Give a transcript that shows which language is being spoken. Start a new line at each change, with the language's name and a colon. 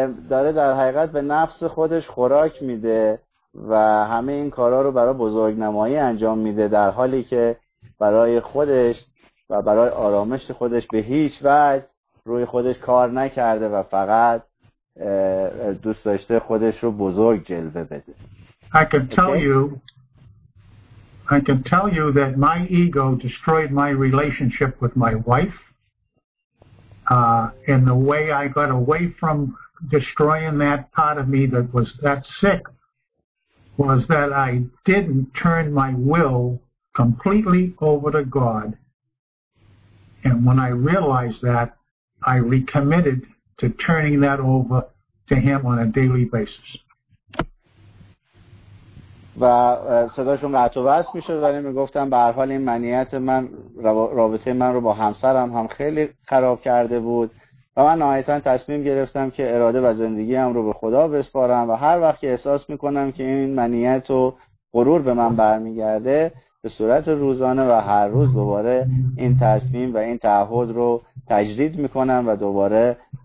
Persian: داره در حقیقت به نفس خودش خوراک میده و همه این کارها رو برای بزرگ نمایی انجام میده، در حالی که برای خودش و برای آرامش خودش به هیچ وجه روی خودش کار نکرده و فقط دوست داشته خودش رو بزرگ جلوه بده.
English: I can tell you that my ego destroyed my relationship with my wife. And the way I got away from destroying that part of me that was that sick was that I didn't turn my will completely over to God. And when I realized that, I recommitted to turning that over to him on a daily basis.
Persian: و صداشون قطع و وصل میشد، ولی میگفتم به هر حال این منیت من رابطه من رو با همسرم هم خیلی خراب کرده بود، و من نهایتا تصمیم گرفتم که اراده و زندگیم رو به خدا بسپارم، و هر وقت که احساس میکنم که این منیت و غرور به من برمیگرده، به صورت روزانه و هر روز دوباره این تصمیم و این تعهد رو تجدید میکنم و دوباره